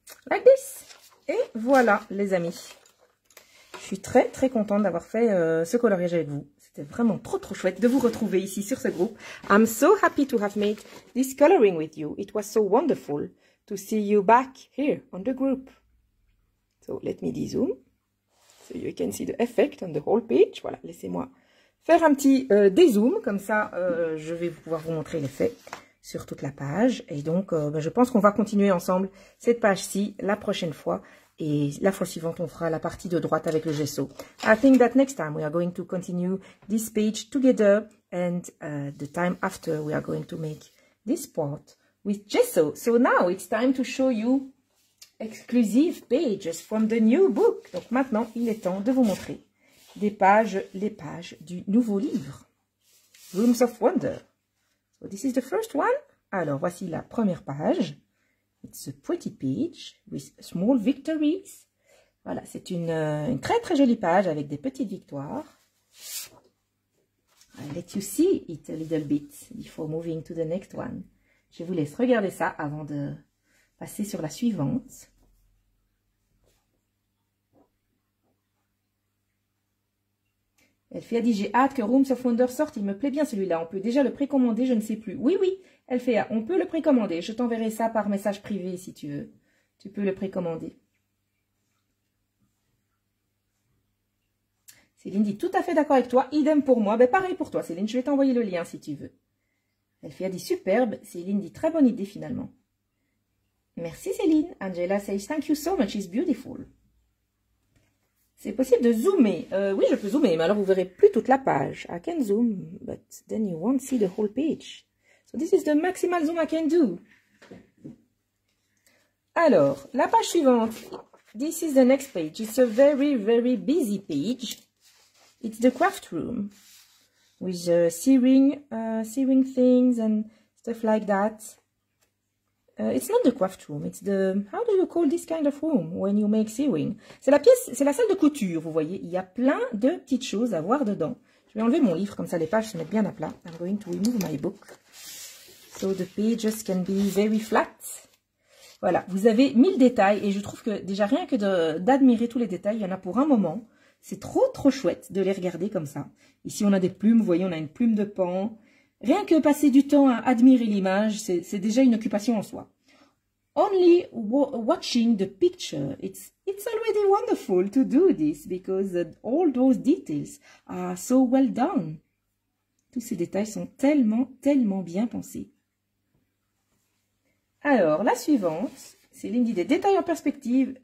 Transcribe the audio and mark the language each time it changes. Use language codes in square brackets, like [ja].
[en] Like this. [fr] Et voilà, les amis. Je suis très très contente d'avoir fait ce coloriage avec vous. C'était vraiment trop trop chouette de vous retrouver ici sur ce groupe. [en] I'm so happy to have made this coloring with you. It was so wonderful to see you back here on the group. So let me de-zoom so you can see the effect on the whole page. [fr] Voilà, laissez-moi faire un petit dézoom. Comme ça, je vais pouvoir vous montrer l'effet sur toute la page. Et donc, je pense qu'on va continuer ensemble cette page-ci la prochaine fois. Et la fois suivante, on fera la partie de droite avec le gesso. [en] I think that next time we are going to continue this page together. And the time after, we are going to make this part with gesso. So now it's time to show you exclusive pages from the new book. [fr] Donc maintenant, il est temps de vous montrer les pages du nouveau livre. [en] Rooms of Wonder. So this is the first one. [fr] Alors, voici la première page. [en] It's a pretty page with small victories. [fr] Voilà, c'est une très très jolie page avec des petites victoires. [en] I'll let you see it a little bit before moving to the next one. [fr] Je vous laisse regarder ça avant de passer sur la suivante. Elfea dit, j'ai hâte que Rooms of Wonder sorte, il me plaît bien celui-là, on peut déjà le précommander, je ne sais plus. Oui, oui, Elfea, on peut le précommander, je t'enverrai ça par message privé si tu veux. Tu peux le précommander. Céline dit, tout à fait d'accord avec toi, idem pour moi. Ben, pareil pour toi, Céline, je vais t'envoyer le lien si tu veux. Elfea dit, superbe, Céline dit, très bonne idée finalement. Merci Céline. [en] Angela says, thank you so much, it's beautiful. [fr] C'est possible de zoomer. Oui, je peux zoomer, mais alors vous ne verrez plus toute la page. [en] I can zoom, but then you won't see the whole page. So this is the maximal zoom I can do. [fr] Alors, la page suivante. [en] This is the next page. It's a very, very busy page. It's the craft room with sewing things and stuff like that. It's not the craft room. It's the, how do you call this kind of room when you make sewing? [fr] C'est la pièce, c'est la salle de couture, vous voyez. Il y a plein de petites choses à voir dedans. Je vais enlever mon livre, comme ça les pages se mettent bien à plat. [en] I'm going to remove my book. So the pages can be very flat. [fr] Voilà, vous avez 1000 détails et je trouve que déjà rien que d'admirer tous les détails, il y en a pour un moment. C'est trop trop chouette de les regarder comme ça. Ici on a des plumes, vous voyez, on a une plume de paon. Rien que passer du temps à admirer l'image, c'est déjà une occupation en soi. [en] Only watching the picture, it's already wonderful to do this because all those details are so well done. [fr] Tous ces détails sont tellement, tellement bien pensés. Alors, la suivante, Céline dit des détails en perspective.